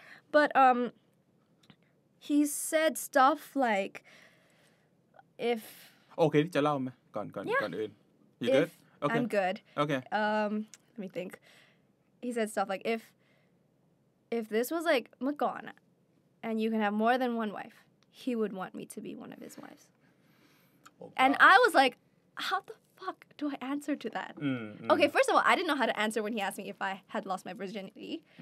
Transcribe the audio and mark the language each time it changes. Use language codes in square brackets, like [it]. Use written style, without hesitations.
[en] But he said stuff like, if... [th] Okay, จะเล่าไหมก่อนอื่น [en] You good? Okay. I'm good. Okay. Let me think. He said stuff like, if this was like Magana and you can have more than one wife, he would want me to be one of his wives. And I was like, how the fuck do I answer to that? Okay, first of all, I didn't know how to answer when he asked me if I had lost my virginity.